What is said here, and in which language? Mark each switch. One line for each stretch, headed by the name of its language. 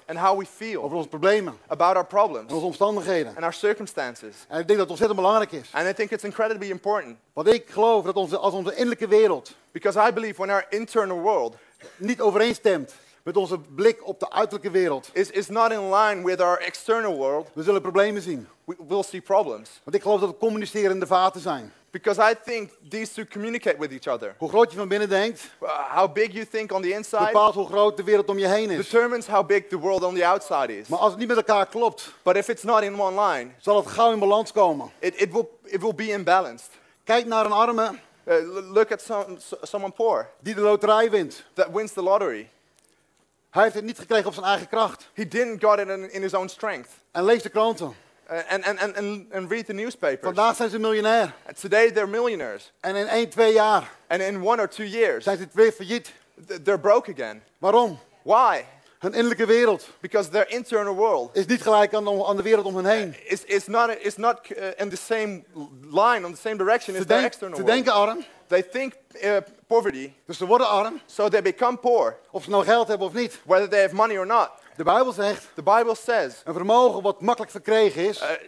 English: And how we feel.
Dutch: Over onze problemen.
English: About our problems.
Dutch: En onze omstandigheden.
English: And our circumstances.
Dutch: En ik denk dat het ontzettend belangrijk is.
English: And I think it's incredibly important.
Dutch: Want ik geloof dat als onze innerlijke wereld.
English: Because I believe when our internal world.
Dutch: Niet overeenstemt met onze blik op de uiterlijke wereld.
English: Is not in line with our external world.
Dutch: We zullen problemen zien.
English: We will see problems.
Dutch: Want ik geloof dat we communicerende vaten zijn.
English: Because I think these two communicate with each other.
Dutch: Hoe groot je van binnen denkt.
English: How big you think on the inside.
Dutch: Bepaalt hoe groot de wereld om je heen is.
English: Determines how big the world on the outside is.
Dutch: Maar als het niet met elkaar klopt.
English: But if it's not in one line.
Dutch: Zal het gauw in balans komen.
English: It will be imbalanced.
Dutch: Kijk naar een arme.
English: Look at someone poor.
Dutch: Die de loterij wint.
English: That wins the lottery.
Dutch: Hij heeft het niet gekregen op zijn eigen kracht.
English: He didn't got it in his own strength.
Dutch: En lees de kranten.
English: And read the newspapers.
Dutch: Vandaag zijn ze miljonair.
English: And today they're millionaires.
Dutch: En in 1-2 jaar.
English: And in 1 or 2 years.
Dutch: Zijn ze weer failliet.
English: They're broke again.
Dutch: Waarom?
English: Why?
Dutch: Hun innerlijke wereld.
English: Because their internal world.
Dutch: Is niet gelijk aan de wereld om hen heen.
English: It's not in the same line, on the same direction as their external world.
Dutch: Ze denken arm.
English: They think poverty.
Dutch: Dus ze worden arm.
English: So they become poor.
Dutch: Of ze nou geld hebben of niet.
English: Whether they have money or not.
Dutch: De Bijbel zegt,
English: the Bible says,
Dutch: een vermogen wat makkelijk verkregen is,